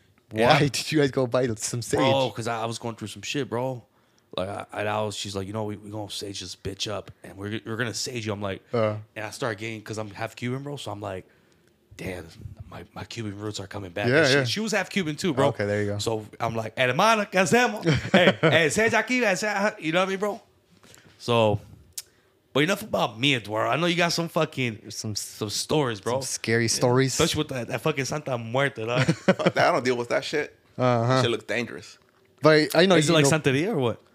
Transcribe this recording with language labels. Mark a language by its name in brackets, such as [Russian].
[English] Why did you guys go buy some sage? Oh, because I was going through some shit, bro. She's like, you know, we're going to sage this bitch up and we're going to sage you. I'm like, and I started getting, because I'm half Cuban, bro. So I'm like, damn, my Cuban roots are coming back. Yeah, and yeah. She was half Cuban too, bro. Okay, there you go. So I'm like, [Spanish] hermana, ¿qué hacemos? [English] Hey, sage aquí, you know what I mean, bro? So, but enough about me, Eduardo. I know you got some fucking, some stories, bro. Some scary stories. Yeah, especially with that fucking Santa Muerte, dog. I don't deal with that shit. Uh-huh. Shit looks dangerous. But I know. Is it like Santeria or what?